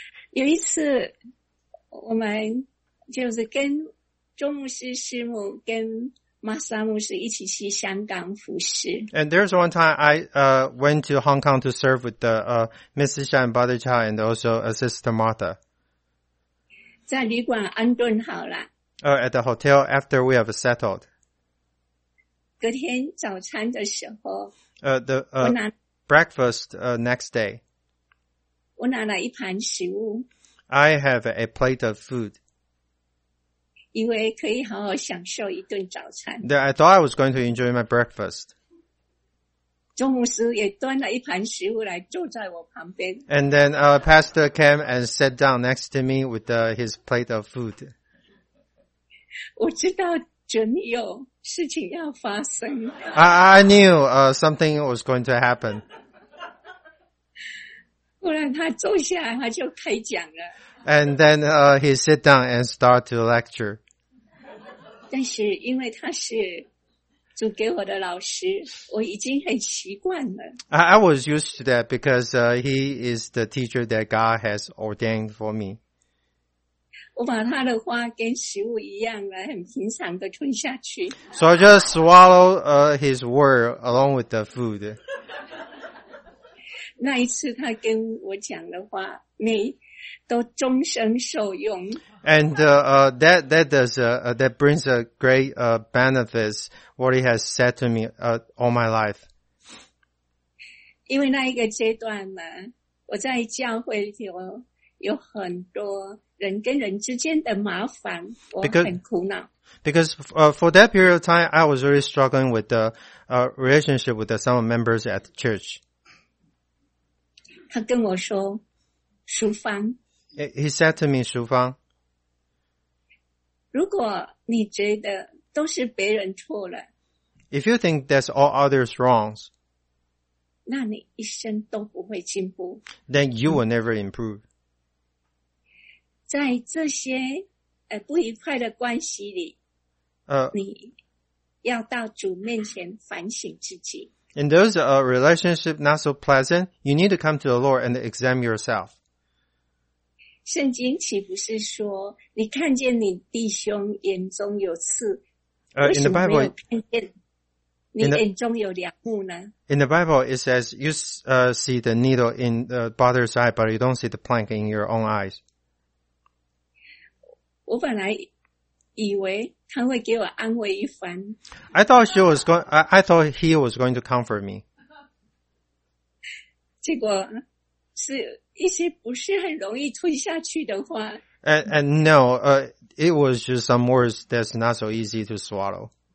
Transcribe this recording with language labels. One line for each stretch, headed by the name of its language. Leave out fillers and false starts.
Chinese: 有一次，我们就是跟周牧师师母跟。
English: And there's one time I went to Hong Kong to serve with the Mrs. Xia and Brother Cha and also Sister Martha.
Chinese: 在旅馆安顿好了。
English: At the hotel after we have settled.
Chinese: 隔天早餐的时候。
English: Breakfast next day.
Chinese: 我拿了一盘食物。
English: I have a plate of food.
Chinese: 以为可以好好享受一顿早餐。
English: Then I thought I was going to enjoy my breakfast.
Chinese: 中午时也端了一盘食物来坐在我旁边。
English: And then Pastor came and sat down next to me with his plate of food.
Chinese: 我知道准有事情要发生。
English: I knew something was going to happen.
Chinese: 忽然他坐下来他就开讲了。
English: And then he sit down and start to lecture.
Chinese: 但是因为他是主给我的老师，我已经很习惯了。
English: I was used to that because he is the teacher that God has ordained for me.
Chinese: 我把他的话跟食物一样的很平常的吞下去。
English: So I just swallow his word along with the food.
Chinese: 那一次他跟我讲的话，每都终生受用。
English: And that brings a great benefits what he has said to me all my life.
Chinese: 因为那一个阶段呢，我在教会里头有很多人跟人之间的麻烦，我很苦恼。
English: Because for that period of time, I was really struggling with the relationship with some members at the church.
Chinese: 他跟我说，淑芳。
English: He said to me, 淑芳，
Chinese: 如果你觉得都是别人错了，
English: If you think that's all others wrong,
Chinese: 那你一生都不会进步。
English: Then you will never improve.
Chinese: 在这些不愉快的关系里，你要到主面前反省自己。
English: In those relationships not so pleasant, you need to come to the Lord and examine yourself.
Chinese: 圣经岂不是说，你看见你弟兄眼中有刺，为什么没有看见你眼中有良木呢？
English: In the Bible, it says you see the needle in the brother's eye, but you don't see the plank in your own eyes.
Chinese: 我本来以为他会给我安慰一番。
English: I thought he was going to comfort me.
Chinese: 结果是一些不是很容易吞下去的话。
English: And it was just some words that's not so easy to swallow.